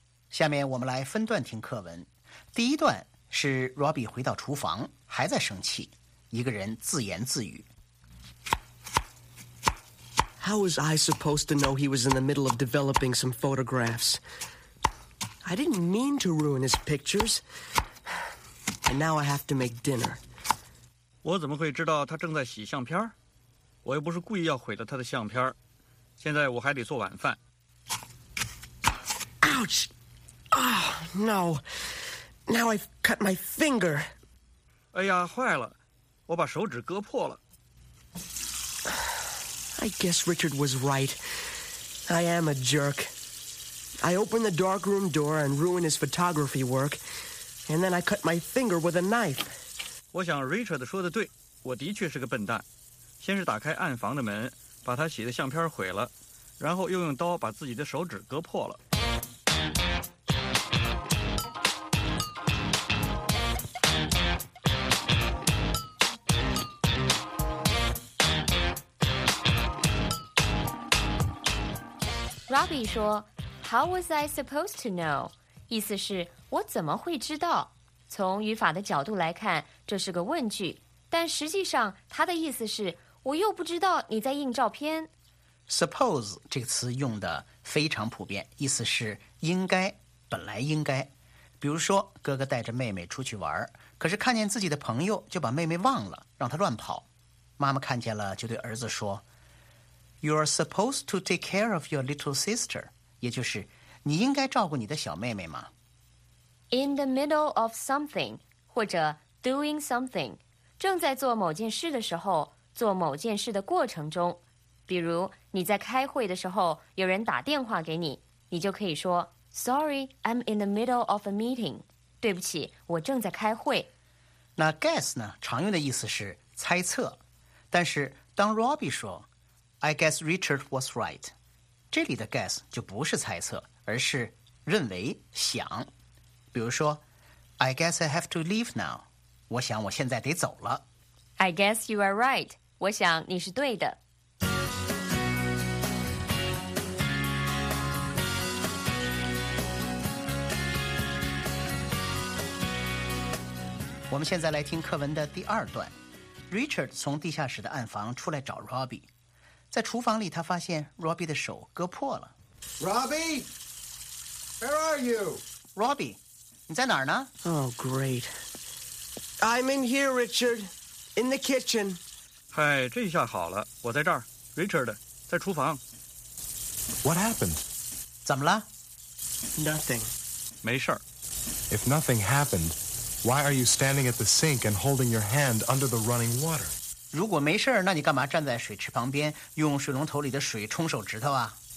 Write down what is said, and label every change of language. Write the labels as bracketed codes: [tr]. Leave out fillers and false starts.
[zh] 下面我们来分段听课文。第一段是 Robbie 回到厨房还在生气，一个人自言自语。 [en] How was I supposed to know he was in the middle of developing some photographs? I didn't mean to ruin his pictures. And now I have to make dinner. [zh] 我怎么会知道他正在洗相片？我又不是故意要毁了他的相片。现在我还得做晚饭。 [en] Ouch! Oh, no. Now I've cut my finger. [zh] 哎呀，坏了，我把手指割破了。 [en] I guess Richard was right. I am a jerk. I opened the darkroom door and ruined his photography work, and then I cut my finger with a knife. [zh] 我想 Richard 说的对，我的确是个笨蛋。先是打开暗房的门，把他洗的相片毁了，然后又用刀把自己的手指割破了。 [en] Robby 说 How was I supposed to know? [zh] 意思是我怎么会知道？从语法的角度来看，这是个问句，但实际上它的意思是我又不知道你在印照片。 Suppose 这个词用的非常普遍，意思是应该，本来应该。比如说哥哥带着妹妹出去玩，可是看见自己的朋友就把妹妹忘了，让她乱跑。妈妈看见了就对儿子说 [en] You are supposed to take care of your little sister. [zh] 也就是你应该照顾你的小妹妹吗 [en] In the middle of something, [zh] 或者 [en] doing something, [zh] 正在做某件事的时候，做某件事的过程中，比如你在开会的时候，有人打电话给你，你就可以说 [en] Sorry, I'm in the middle of a meeting. [zh] 对不起，我正在开会。那 guess 呢，常用的意思是猜测，但是当 Robby 说 [en] I guess Richard was right. [zh] 这里的 guess 就不是猜测，而是认为、想。比如说 ， [en] I guess I have to leave now. [zh] 我想我现在得走了。 [en] I guess you are right. [zh] 我想你是对的。我们现在来听课文的第二段。Richard 从地下室的暗房出来找 Robby。在厨房里，他发现 Robby 的手割破了。 [en] Robby, where are you? [zh] Robby, 你在哪儿呢 [en] ？Oh, great. I'm in here, Richard. In the kitchen. [zh] 嗨，这下好了，我在这儿。 Richard, 在厨房。 [en] What happened? [zh] 怎么了 [en] ？Nothing. [zh] 没事儿。 [en] If nothing happened, why are you standing at the sink and holding your hand under the running water? [zh] 如果没事儿，那你干嘛站在水池旁边用水龙头里的水冲手指头啊